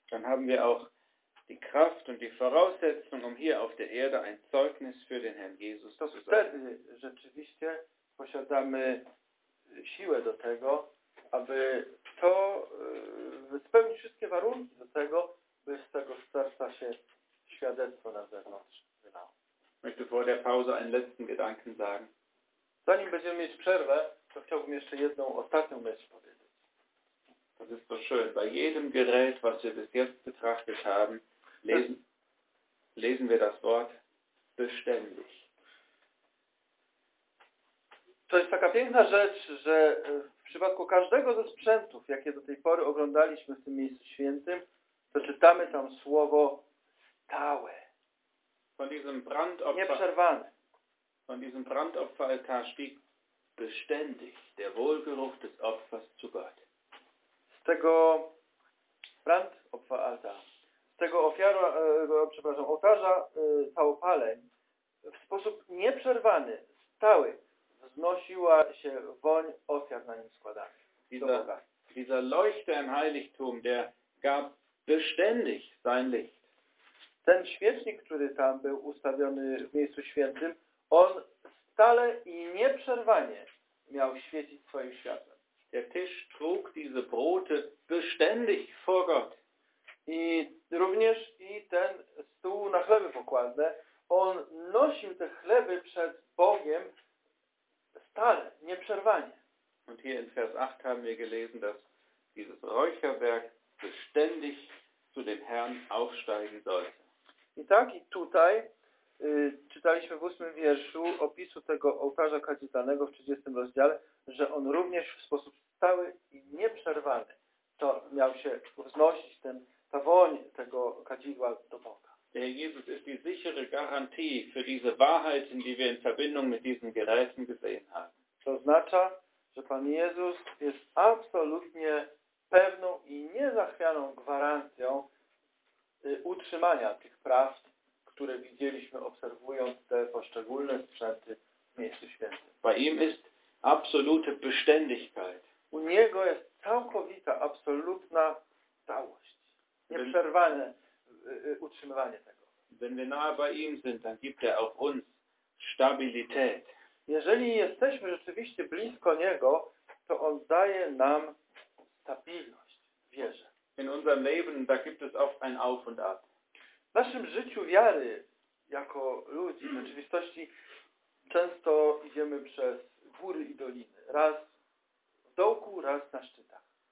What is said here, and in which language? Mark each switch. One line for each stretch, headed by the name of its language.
German: dann haben wir auch die Kraft und die Voraussetzung, um hier auf der Erde ein Zeugnis für den Herrn Jesus zu sein.
Polish: To wtedy rzeczywiście posiadamy siłę do tego, aby to spełnić wszystkie warunki do tego, by z tego starca się świadectwo na zewnątrz wydało. Zanim będziemy mieć przerwę, to chciałbym jeszcze jedną ostatnią myśl powiedzieć.
German: Das ist so schön. Bei jedem Gerät, was wir bis jetzt betrachtet haben, lesen wir das Wort beständig.
Polish: To jest taka piękna rzecz, że w przypadku każdego ze sprzętów, jakie do tej pory oglądaliśmy w tym miejscu świętym, to czytamy tam słowo stałe.
German: Von diesem Brandopfer,
Polish: nieprzerwane.
German: Von diesem Brandopferaltar stieg beständig der Wohlgeruch des Opfers zu Gott.
Polish: Z tego Brandopferaltar, z tego ofiara, przepraszam, ołtarza całopaleń, w sposób nieprzerwany, stały, wznosiła się woń ofiar na nim składanych.
German: Dieser Leuchter im Heiligtum, der gab beständig sein Licht.
Polish: Ten świecznik, który tam był ustawiony w miejscu świętym, on stale i nieprzerwanie miał świecić swoim światłem.
German: Der Tisch trug diese Brote beständig vor Gott.
Polish: I również i ten stół na chleby pokładne, on nosił te chleby przed Bogiem stale, nieprzerwanie.
German: Und hier in Vers 8 haben wir gelesen, dass dieses Räucherwerk beständig zu dem Herrn aufsteigen sollte.
Polish: I tak, i tutaj czytaliśmy w 8 wierszu opisu tego ołtarza kadzidlanego w 30 rozdziale, że on również w sposób stały i nieprzerwany to miał się wznosić, ta woń tego kadzidła do Boga.
German: Jesus ist die sichere Garantie für diese Wahrheiten, die wir in Verbindung mit diesen Geräten gesehen haben.
Polish: To oznacza, że Pan Jezus jest absolutnie pewną i niezachwianą gwarancją utrzymania tych prawd, które widzieliśmy obserwując te poszczególne sprzęty w Miejscu Świętym.
German: Bei ihm ist absolute Beständigkeit.
Polish: U Niego jest całkowita, absolutna stałość. Nieprzerwane utrzymywanie tego.
German: Wenn wir nahe bei ihm sind, dann gibt er auch uns Stabilität.
Polish: Jeżeli jesteśmy rzeczywiście blisko Niego, to On daje nam stabilność, wierzę.
German: In unserem Leben, da gibt es oft ein Auf und Ab.
Polish: W naszym życiu wiary, jako ludzi, w rzeczywistości, często idziemy przez góry i doliny. Raz w dołku, raz na szczytach.